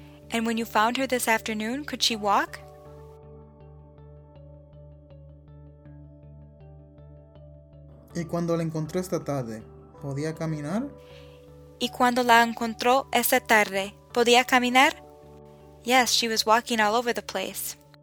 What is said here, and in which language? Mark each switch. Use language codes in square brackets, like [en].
[en] And when you found her this afternoon, could she walk? [es] ¿Y cuando la encontró esta tarde, podía caminar? ¿Y cuando la encontró esta tarde, podía caminar? [en] Yes, she was walking all over the place.